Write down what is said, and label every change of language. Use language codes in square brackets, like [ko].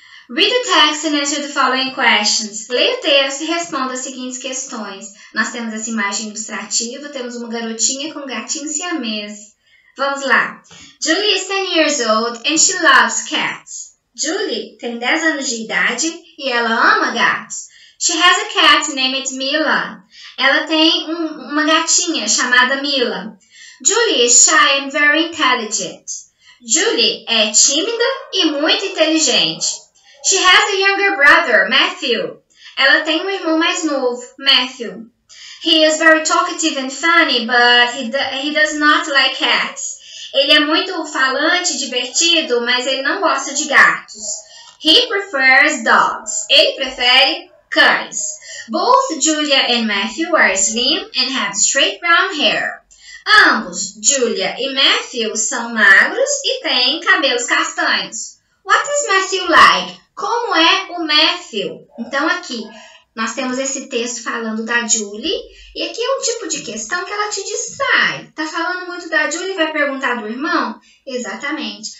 [en] Read the text and answer the following questions. [pt] Leia o texto e responda as seguintes questões. Nós temos essa imagem ilustrativa, temos uma garotinha com um gatinho siamês. Vamos lá. [en] Julie is 10 years old and she loves cats. [pt] Julie tem 10 anos de idade e ela ama gatos. [en] She has a cat named Mila. [pt] Ela tem uma gatinha chamada Mila. [en] Julie is shy and very intelligent. [pt] Julie é tímida e muito inteligente. [en] She has a younger brother, Matthew. [pt] Ela tem um irmão mais novo, Matthew. [en] He is very talkative and funny, but he does not like cats. [pt] Ele é muito falante, divertido, mas ele não gosta de gatos. [en] He prefers dogs. [pt] Ele prefere cães. [en] Both Julia and Matthew are slim and have straight brown hair. [pt] Ambos, Julia e Matthew, são magros e têm cabelos castanhos. [en] What is Matthew like? [pt] Como é o Matthew? Então, aqui, nós temos esse texto falando da Julie. E aqui é um tipo de questão que ela te distrai. Tá falando muito da Julie, vai perguntar do irmão? Exatamente.